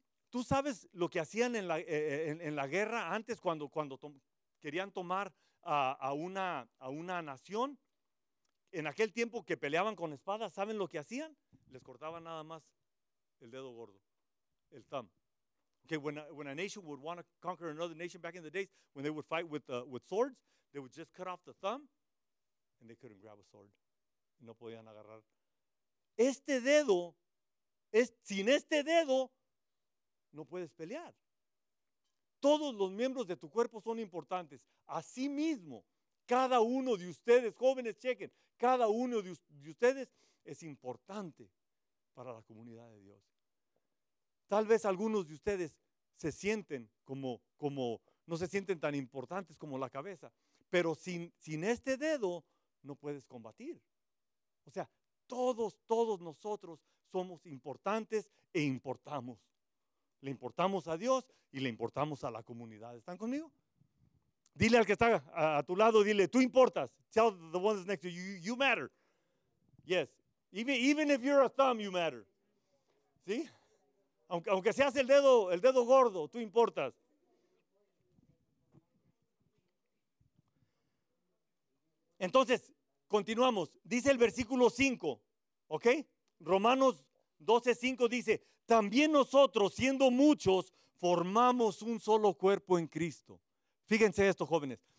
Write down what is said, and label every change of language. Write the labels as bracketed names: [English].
[Spanish] ¿Tú sabes lo que hacían en la guerra antes cuando querían tomar a una nación? En aquel tiempo que peleaban con espadas, ¿saben lo que hacían? Les cortaban nada más el dedo gordo, el thumb. [English] Okay, when a nation would want to conquer another nation back in the days, when they would fight with swords, they would just cut off the thumb and they couldn't grab a sword. [Spanish] No podían agarrar. Este dedo, sin este dedo, no puedes pelear. Todos los miembros de tu cuerpo son importantes. Asimismo, cada uno de ustedes, jóvenes, chequen, cada uno de ustedes es importante para la comunidad de Dios. Tal vez algunos de ustedes se sienten como no se sienten tan importantes como la cabeza, pero sin este dedo no puedes combatir. O sea, todos nosotros somos importantes e importamos. Le importamos a Dios y le importamos a la comunidad. ¿Están conmigo? Dile al que está a tu lado, dile, tú importas. [English] Tell the one that's next to you, you matter. Yes, even if you're a thumb, you matter. [Spanish] ¿Sí? Aunque seas el dedo gordo, tú importas. Entonces, continuamos. Dice el versículo 5, ¿ok? Romanos 12:5 dice, también nosotros, siendo muchos, formamos un solo cuerpo en Cristo. Fíjense esto, jóvenes.